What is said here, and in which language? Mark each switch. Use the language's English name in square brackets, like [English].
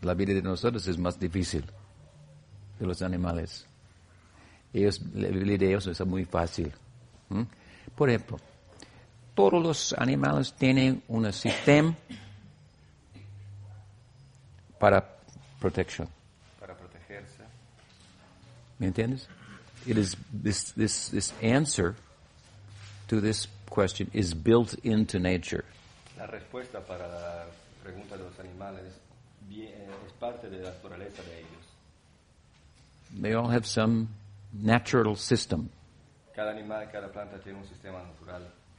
[Spanish] La vida de nosotros es más difícil de los animales. Ellos, la vida de ellos es muy fácil. Por ejemplo, todos los animales tienen un sistema para protección. Para protegerse. ¿Me entiendes? [English] It is this answer to this question is built into nature. [Spanish] La respuesta para la pregunta de los animales es parte de la naturaleza de ellos. [English] They all have some natural system. [Spanish] Cada animal, cada planta tiene un sistema natural.